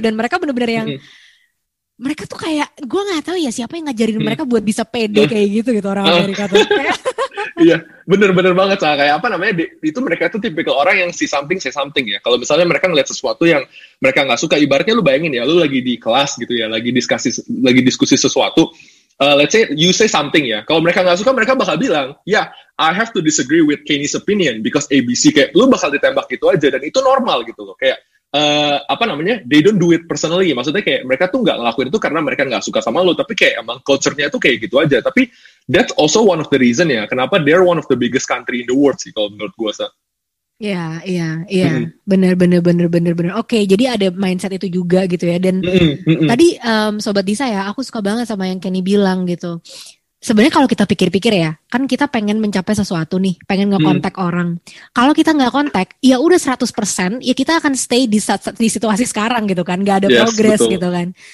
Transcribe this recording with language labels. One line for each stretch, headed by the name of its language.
Indonesian: Dan mereka benar-benar yang mereka tuh kayak gue nggak tahu ya siapa yang ngajarin mereka buat bisa pede kayak gitu orang Amerika tuh. Iya, benar-benar banget sih. Kayak apa namanya? Itu mereka tuh tipikal orang yang
English: say something
Indonesian: ya. Kalau misalnya mereka ngeliat sesuatu yang mereka nggak suka, ibaratnya lu bayangin ya, lu lagi di kelas gitu ya, lagi diskusi sesuatu.
English: Let's say you say something ya.
Indonesian: Kalau mereka nggak suka, mereka bakal bilang,
English: yeah, I have to disagree with Kenny's opinion because ABC.
Indonesian: Kayak lu bakal ditembak gitu aja dan itu normal gitu loh. Kayak
English: they don't do it personally.
Indonesian: Maksudnya kayak mereka tuh nggak ngelakuin itu karena mereka nggak suka sama lu, tapi kayak emang culture-nya tuh kayak gitu aja. Tapi
English: that's also one of the reason
Indonesian: ya, kenapa
English: they're one of the biggest country in the world
Indonesian: sih kalau menurut gue sih. Iya. Benar. Oke, jadi ada mindset itu juga gitu ya. Dan tadi Sobat Disa ya, aku suka banget sama yang Kenny bilang gitu. Sebenarnya kalau kita pikir-pikir ya, kan kita pengen mencapai sesuatu nih, pengen nge-contact orang. Kalau kita nggak kontak, ya udah 100%, ya kita akan stay di situasi sekarang gitu kan, nggak ada progress gitu kan.